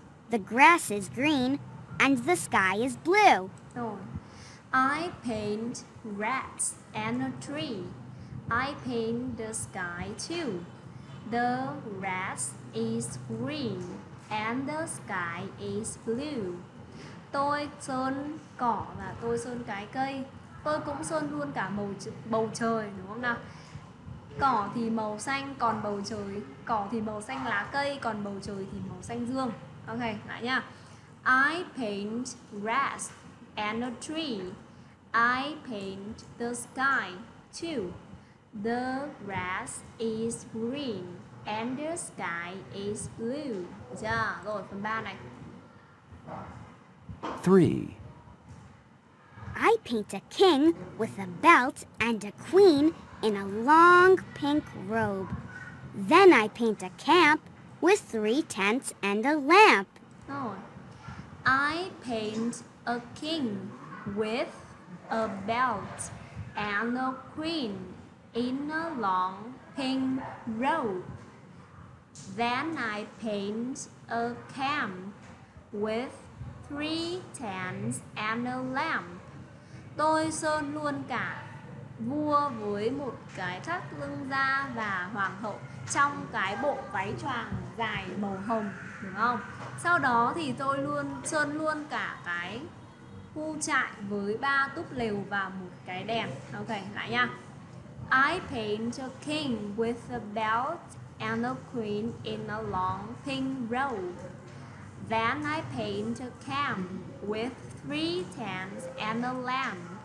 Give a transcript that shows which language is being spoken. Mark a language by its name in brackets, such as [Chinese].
[English] The grass is green and the sky is blue. I paint grass and a tree. I paint the sky too. The grass is green and the sky is blue. [Vietnamese] Tôi sơn cỏ và tôi sơn cái cây. Tôi cũng sơn luôn cả bầu trời đúng không nào? Cỏ thì màu xanh còn bầu trời, cỏ thì màu xanh lá cây còn bầu trời thì màu xanh dương. Ok, lại nha. [English] I paint grass and a tree. I paint the sky too. The grass is green and the sky is blue. [Vietnamese] Được chưa? Rồi, phần 3 này. 3. [English] I paint a king with a belt and a queen in a long pink robe. Then I paint a camp with three tents and a lamp. Oh. I paint a king with a belt and a queen in a long pink robe. Then I paint a camp with three tents and a lamp. [Vietnamese] Tôi sơn luôn cả vua với một cái thắt lưng da và hoàng hậu trong cái bộ váy choàng dài màu hồng, đúng không? Sau đó thì tôi luôn sơn luôn cả cái khu trại với ba túp lều và một cái đèn. Ok, lại nha. [English] I paint a king with a belt and a queen in a long pink robe. Then I paint a camp with three tents and a lamp.